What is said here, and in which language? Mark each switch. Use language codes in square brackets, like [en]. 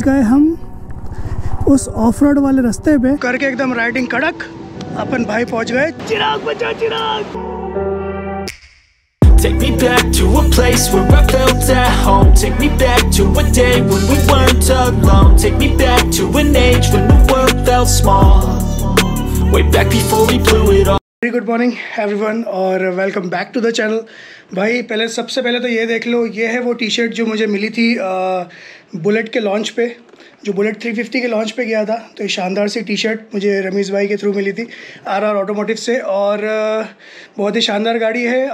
[hi] गए हम उस ऑफ रोड वाले रास्ते पे करके एकदम राइडिंग कड़क अपन भाई पहुंच गए चिराग बचा चिराग [en] Take me back to a place where I felt at home. Take me back to a day when we weren't alone. Take me back to an age when the world felt small. Way back before we blew it all. Very good morning everyone और welcome back to the channel. [hi] भाई पहले सबसे पहले तो ये देख लो, ये है वो टी शर्ट जो मुझे मिली थी बुलेट के लॉन्च पे, जो बुलेट 350 के लॉन्च पे गया था. तो ये शानदार सी टी शर्ट मुझे रमीज़ भाई के थ्रू मिली थी RR ऑटोमोटिव से, और बहुत ही शानदार गाड़ी है.